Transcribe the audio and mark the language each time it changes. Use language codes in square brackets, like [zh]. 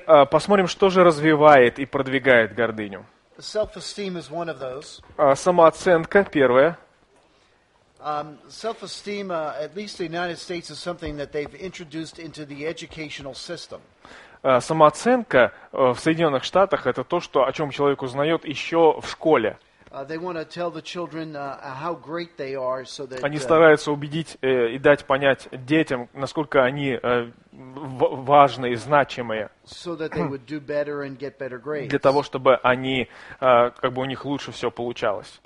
[ru] посмотрим, что же развивает и продвигает гордыню. [en] Self-esteem is one of those. [ru] Самооценка первая. [en] Self-esteem, at least in the United States, is something that they've introduced into the educational system. [ru] Самооценка в Соединенных Штатах – это то, что, о чем человек узнает еще в школе. Они стараются убедить и дать понять детям, насколько они важны и значимые. [en] So that they would do better and get better grades. [ru] Для того, чтобы они, как бы у них лучше все получалось.